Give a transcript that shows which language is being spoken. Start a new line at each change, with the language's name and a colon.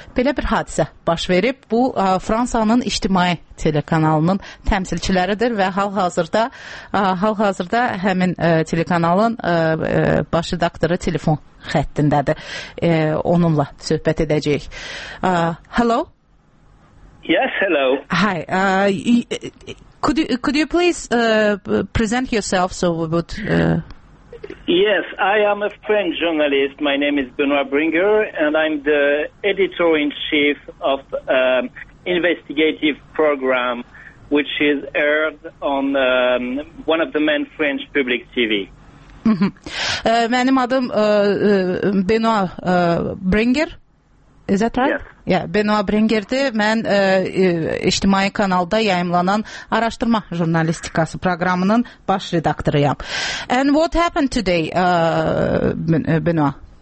Azerbaijani: Belə bir hadisə baş verib. Bu, Fransanın ictimai telekanalının təmsilçiləridir və hal-hazırda həmin telekanalın baş redaktoru telefon xəttindədir. Onunla söhbət edəcəyik.
English: Hello? Yes, hello. Hi. Could you please present yourself so we would... Yes, I am a French journalist. My name is Benoit Bringer, and I'm the editor-in-chief of an investigative program which is aired on one of the main French public TV.
Azerbaijani: Mənim adım Benoit Bringer.
English: Is that right? Yes. Yeah, Benoit Bringer'di.
Azerbaijani: Mən ictimai kanalda yayımlanan araşdırma jurnalistikası proqramının baş redaktoruyam.
English: And what happened today, Benoit?